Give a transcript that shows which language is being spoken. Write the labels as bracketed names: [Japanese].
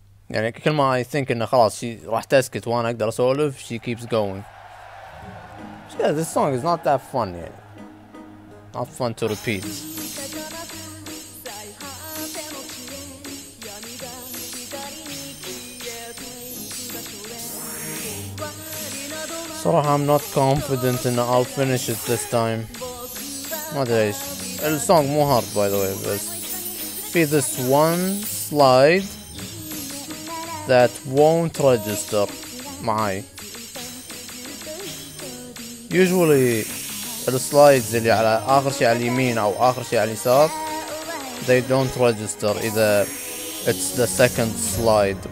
[Arabic] يعني كل ما [English] I think [Arabic] إنه خلاص [English] she [Arabic] راح تسكت وأنا أقدر أسولف [English] she keeps going. Yeah, this song is not that fun yet. Not fun to repeat. [Arabic] صراحة [English] I'm not confident [Arabic] إن [English] I'll finish it this time. [Arabic] ما أدري إيش. [English] The song [Arabic] مو [English] hard by the way, [Arabic] بس في [English] this one slide that won't register [Arabic] معي. [English] Usually the slides [Arabic] اللي على آخر شيء على اليمين أو آخر شيء على اليسار [English] they don't register [Arabic] إذا [English] it's the second slide.